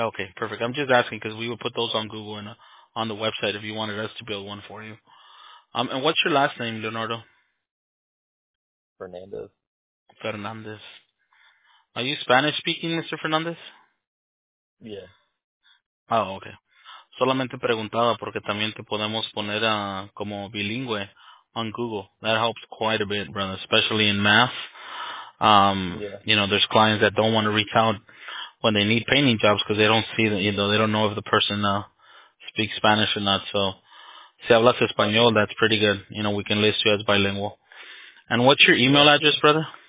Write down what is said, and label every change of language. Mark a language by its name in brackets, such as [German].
[English] Okay. Perfect. I'm just asking because we would put those on Google and on the website if you wanted us to build one for you. And what's your last name, Leonardo? Fernandez. Are you Spanish-speaking, Mr. Fernandez? Yeah. Oh, okay. [Spanish] Solamente preguntaba porque también te podemos poner como bilingüe [English] on Google. That helps quite a bit, brother, especially in math. Yeah. You know, there's clients that don't want to reach out when they need painting jobs because they don't see, they don't know if the person speaks Spanish or not. So, [Spanish] si hablas español, [English] that's pretty good. You know, we can list you as bilingual. And what's your email address, brother?